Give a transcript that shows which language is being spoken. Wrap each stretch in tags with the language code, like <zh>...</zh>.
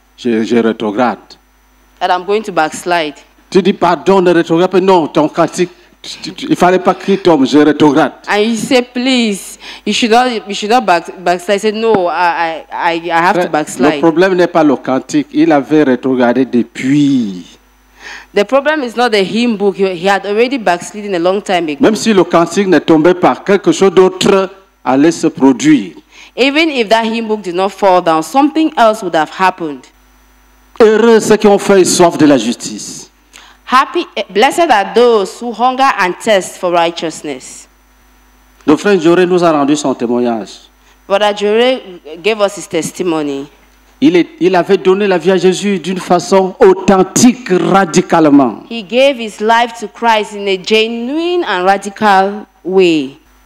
<fr>Je rétrograde.</fr> <en>That I'm going to backslide.</en> <fr>Tu dis pardon, ne rétrograde pas. Non, ton cantique, il fallait pas crier tombe, je rétrograde.</fr> <en>And he said, please, you should not backslide. He said, no, I have to backslide.</en> <fr>Le problème n'est pas le cantique. Il avait rétrogradé depuis.</fr> <en>The problem is not the hymn book. He had already backslidden a long time ago.</en> <fr>Même si le cantique ne tombait pas, quelque chose d'autre allait se produire.</fr> <en>Even if that hymn book did not fall down, something else would have happened.</en> <fr>Heureux ceux qui ont faim et soif de la justice.</fr> <en>Happy, blessed are those who hunger and thirst for righteousness.</en> <fr>Le frère Joré nous a rendu son témoignage.</fr> <en>Brother Joré gave us his testimony.</en> <fr>Il avait donné la vie à Jésus d'une façon authentique, radicalement.</fr> <en>He gave his life to Christ in a genuine and radical way.</en>